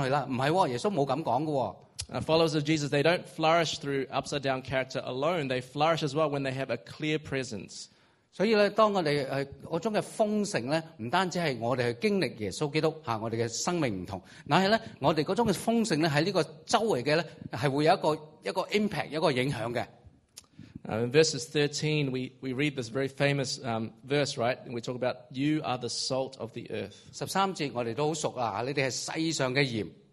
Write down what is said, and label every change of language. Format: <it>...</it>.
<zh>耶稣就不会说,你遵守我这些,在这个世代不接纳你了,算了,你们自己就走在一起就行了,等到我接你回去了,不是,耶稣没这么说过。</zh> <en>Followers of Jesus, they don't flourish through upside down character alone, they flourish as well when they have a clear presence.</en> <zh>所以當我們那種豐盛,不單是我們經歷耶穌基督,我們的生命不同,但是我們那種豐盛在這個周圍的,是會有一個impact,一個影響的。</zh> <en>In verses 13, we read this very famous verse, right? We talk about, you are the salt of the earth.</en> <zh>13節我們都很熟,你們是世上的鹽。</zh>